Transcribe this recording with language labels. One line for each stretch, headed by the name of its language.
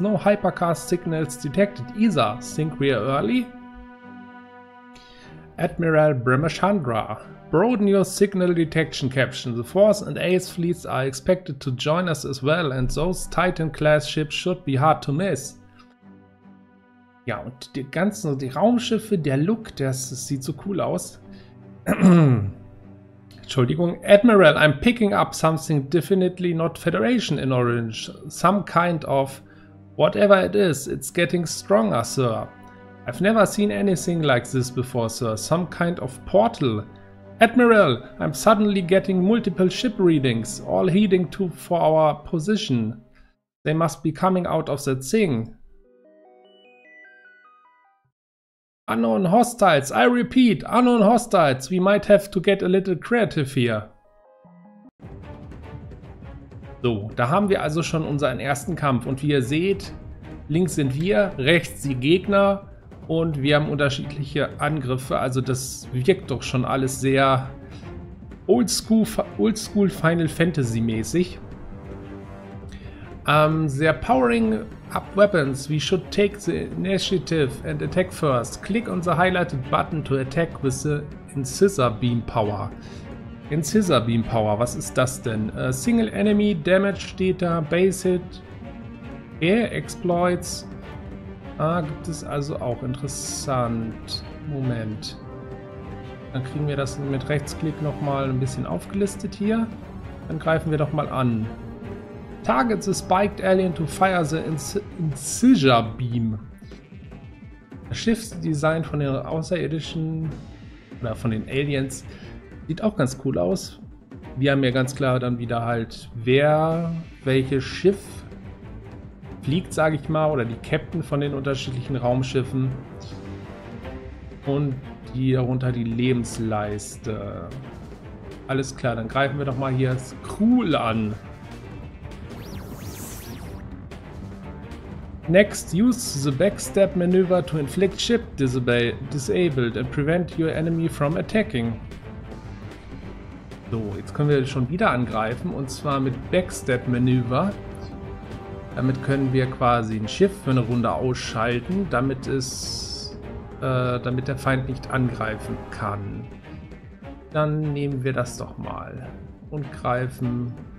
English: No hypercast signals detected either. Think we're early? Admiral Brahmachandra. Broaden your signal detection caption. The Force and Ace fleets are expected to join us as well and those Titan-class ships should be hard to miss.
German: Ja, und die ganzen, die Raumschiffe, der Look, das sieht so cool aus. Entschuldigung.
English: Admiral, I'm picking up something definitely not Federation in orange. Some kind of whatever it is, it's getting stronger, sir. I've never seen anything like this before, sir. Some kind of portal. Admiral, I'm suddenly getting multiple ship readings, all heading to for our position. They must be coming out of that thing. Unknown hostiles, I repeat, unknown hostiles, we might have to get a little creative here.
German: So, da haben wir also schon unseren ersten Kampf und wie ihr seht, links sind wir, rechts die Gegner. Und wir haben unterschiedliche Angriffe, also das wirkt doch schon alles sehr oldschool Final Fantasy mäßig.
English: They're powering up weapons. We should take the initiative and attack first. Click on the highlighted button to attack with the Incisor Beam Power. Incisor Beam Power, was ist das denn? A single enemy, damage data, base hit, air exploits.
German: Ah, gibt es also auch. Interessant. Moment. Dann kriegen wir das mit Rechtsklick nochmal ein bisschen aufgelistet hier. Dann greifen wir doch mal an.
English: Target the spiked alien to fire the incisor beam.
German: Das Schiffsdesign von den Außerirdischen oder von den Aliens sieht auch ganz cool aus. Wir haben ja ganz klar dann wieder halt, wer welches Schiff fliegt, sage ich mal, oder die Captain von den unterschiedlichen Raumschiffen und die darunter die Lebensleiste. Alles klar, dann greifen wir doch mal hier das Crew an.
English: Next, use the backstab maneuver to inflict ship disabled and prevent your enemy from attacking.
German: So, jetzt können wir schon wieder angreifen und zwar mit backstab maneuver. Damit können wir quasi ein Schiff für eine Runde ausschalten, damit es, damit der Feind nicht angreifen kann. Dann nehmen wir das doch mal und greifen.